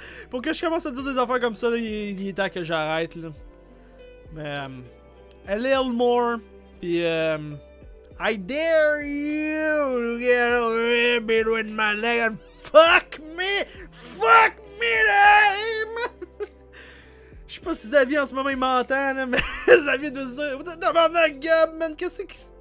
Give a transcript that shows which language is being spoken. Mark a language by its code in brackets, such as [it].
[fr] Pour que je commence à dire des affaires comme ça, là, il est temps que j'arrête. [en] Là. Mais. A little more. Puis. I dare you to get a little bit with my leg and fuck me! Fuck me, dame! [fr] Je sais pas si Xavier en ce moment il m'entend, là, mais Xavier doit se dire. Demande à Gab, man, qu'est-ce qui se passe?